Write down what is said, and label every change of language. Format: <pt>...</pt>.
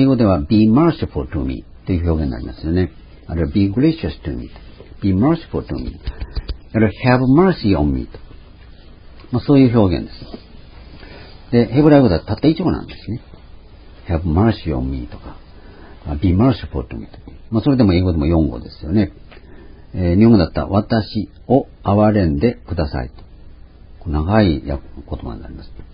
<ja>英語では</ja> <en>be merciful to me</en> <ja>という表現になりますよね。</ja> <en>あるいは be gracious to me、be merciful to me、あるいは have mercy on me と。</en> <ja>そういう表現です。で、ヘブライ語だとたった一語なんですね。</ja> <en>have mercy on me とか、be merciful to me と。</en> <ja>それでも英語でも4語ですよね。日本語だったら私を憐れんでくださいと、長い言葉になります。</ja>